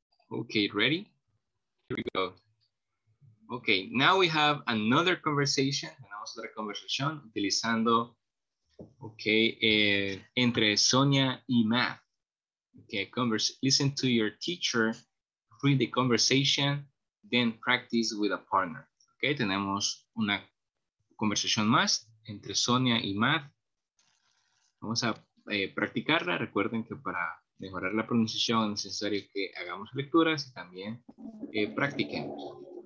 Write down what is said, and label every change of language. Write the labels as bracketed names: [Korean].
[English] Okay, ready? Here we go. Okay, now we have another conversation. [Spanish] Tenemos otra conversación utilizando, okay, entre Sonia y Matt. [English] Okay, listen to your teacher, read the conversation, then practice with a partner. [Spanish] Okay, tenemos una conversación más entre Sonia y Matt. Vamos a practicarla. Recuerden que para mejorar la pronunciación es necesario que hagamos lecturas y también practiquemos.